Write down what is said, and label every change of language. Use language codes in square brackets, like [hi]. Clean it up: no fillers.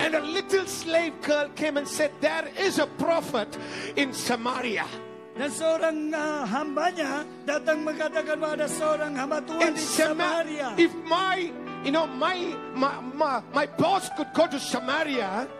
[en] And a little slave girl came and said, "There is a prophet in Samaria." [id] Dan seorang hambanya datang mengatakan bahwa ada seorang hamba Tuhan di Samaria. [en] If my, you know, my boss could go to Samaria.